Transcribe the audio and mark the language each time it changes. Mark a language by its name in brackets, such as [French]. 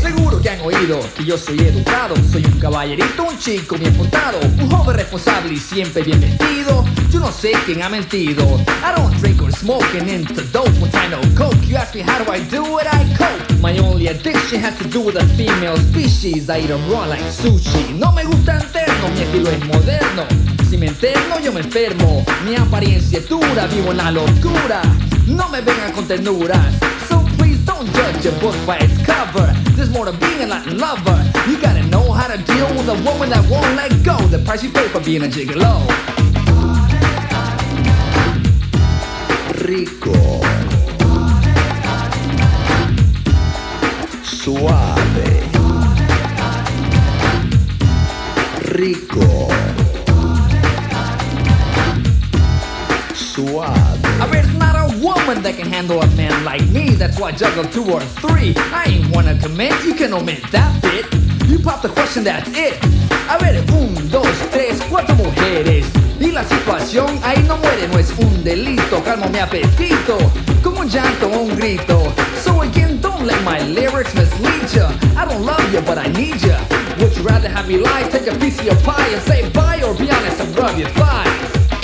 [Spanish] Seguro que han oído que yo soy educado. Soy un caballerito, un chico bien portado. Un joven responsable y siempre bien vestido. Yo no sé quién ha mentido. [English] I don't drink or smoke and into dope. What kind of coke? You ask me how do I do what I cope. My only addiction has to do with a female species. I eat them raw like sushi. [Spanish] No me gusta interno, mi estilo es moderno. Si me interno, yo me enfermo. Mi apariencia es dura, vivo en la locura. No me vengan con ternuras. [English] Don't judge a book by its cover. There's more to being a Latin lover. You gotta know how to deal with a woman that won't let go. The price you pay for being a gigolo. [Spanish] Rico. Suave. Rico. Suave. A ver, [English] woman that can handle a man like me. That's why I juggle two or three. I ain't wanna commit, you can omit that bit. You pop the question, that's it. [Spanish] A ver, un, dos, tres, cuatro mujeres. Y la situación, ahí no muere, no es un delito. Calmo mi apetito, como un llanto, un grito. [English] So again, don't let my lyrics mislead ya. I don't love you, but I need ya. Would you rather have me lie, take a piece of your pie and say bye, or be honest and rub your thighs?